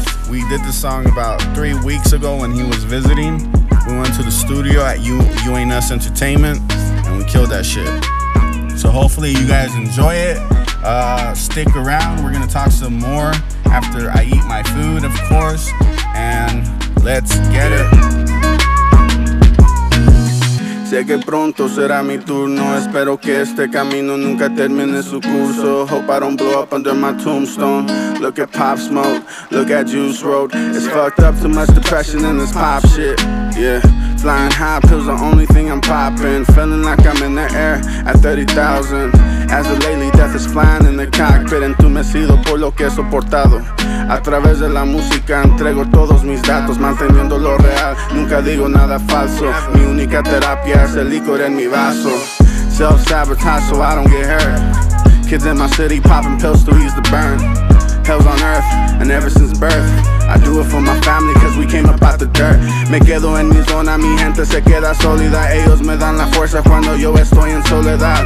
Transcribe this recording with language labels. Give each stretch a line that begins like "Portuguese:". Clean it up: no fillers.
English: We did the song about 3 weeks ago when he was visiting. We went to the studio at You Ain't Us Entertainment. And we killed that shit. So hopefully you guys enjoy it. Stick around. We're gonna talk some more after I eat my food, of course. And let's get it.
Spanish: Sé que pronto será mi turno. Espero que este camino nunca termine su curso.
English: Hope I don't blow up under my tombstone. Look at Pop Smoke, look at Juice WRLD. It's fucked up, too much depression in this pop shit. Yeah, flying high, pills the only thing I'm popping. Feeling like I'm in the air at 30,000. As of lately, death is flying in the cockpit.
Spanish: Entumecido por lo que he soportado. A través de la música entrego todos mis datos. Manteniendo lo real, nunca digo nada falso. Mi única terapia es el licor en mi vaso.
English: Self-sabotage so I don't get hurt. Kids in my city popping pills to ease the burn. Hell's on earth, and ever since birth I do it for my family, cause we came up out the dirt.
Spanish: Me quedo en mi zona, mi gente se queda sólida. Ellos me dan la fuerza cuando yo estoy en soledad.